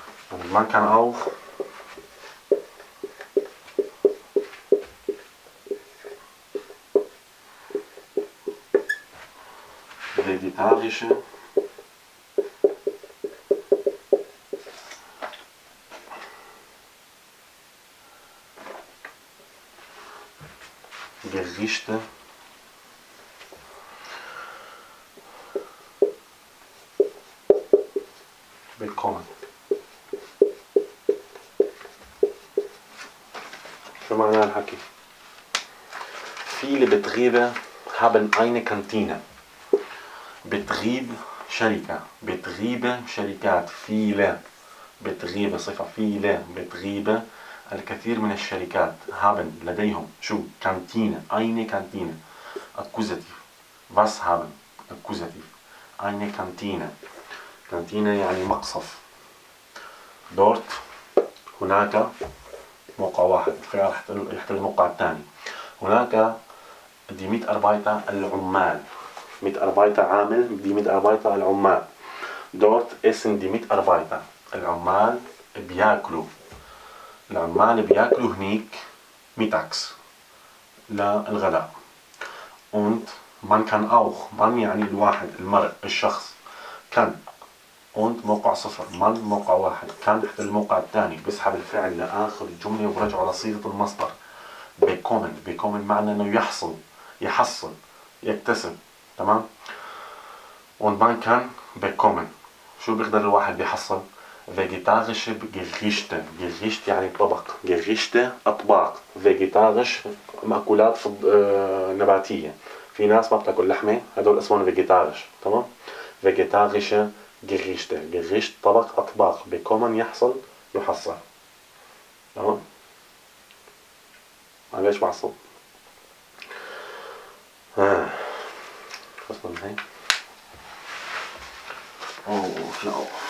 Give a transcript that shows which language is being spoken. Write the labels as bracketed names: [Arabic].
[German] Und man kann auch vegetarische Gerichte bekommen. Schon mal ein Haki. Viele Betriebe haben eine Kantine. Betrieb, [Arabic] شركة. [German] Betriebe, [Arabic] شركات. [German] Viele. Betriebe, صفة. Viele. Betriebe. [Arabic] الكثير من الشركات. [German] Haben. [Arabic] لديهم. [German] شو. Kantine. Eine Kantine. Akkusativ. Was haben. Akkusativ. Eine Kantine. [Arabic] Kantine يعني مقصف. Dort. هناك. موقع واحد. خيار يحتل الموقع الثاني. هناك. [German] Die Mitarbeiter, [Arabic] العمال. [German] Mitarbeiter عامل, die Mitarbeiter العمال. Dort essen die Mitarbeiter. [Arabic] العمال بياكلوا. العمال بياكلوا هنيك [German] mittags. [Arabic] للغداء. [German] Und man kann auch. [Arabic] Man يعني الواحد, المرء, الشخص. [German] Kann. Und [Arabic] موقع صفر. Man موقع واحد. Kann حتى الموقع الثاني. بسحب الفعل لآخر الجملة وبرجع لصيغة المصدر. [German] Bekommen. [Arabic] Bekommen معنى أنه يحصل. يحصل. يكتسب. [German] تمام؟ Und man kann bekommen. [Arabic] شو بيقدر الواحد بيحصل؟ [German] Vegetarische Gerichte. Gericht يعني طبق. Gerichte أطباق. Vegetarisch [Arabic] مأكولات نباتية. في ناس ما بتاكل لحمة. هدول اسمهم [German] vegetarisch. [Arabic] تمام؟ [German] Vegetarische Gerichte. [Arabic] Gericht طبق أطباق. Bekommen يحصل يحصل. تمام؟ معلش معصب. [English] Oh, no.